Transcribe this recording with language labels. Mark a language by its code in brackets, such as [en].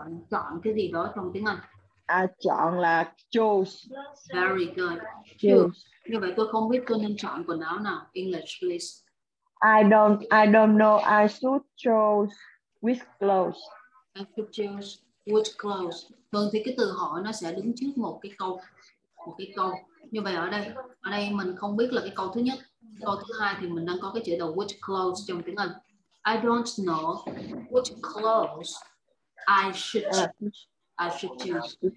[vi] Chọn cái gì đó trong tiếng Anh. I chọn là choose. [en] Very good. Choose. [vi] Như vậy tôi không biết tôi nên chọn quần áo nào. [en] English, please. I don't know. I should choose which clothes. I should choose which clothes. [vi] Thường thì cái từ hỏi nó sẽ đứng trước một cái câu. Như vậy ở đây mình không biết là cái câu thứ nhất. Câu thứ hai thì mình đang có cái chữ đầu [en] which clothes [vi] trong tiếng Anh. [en] I don't know which clothes I should choose.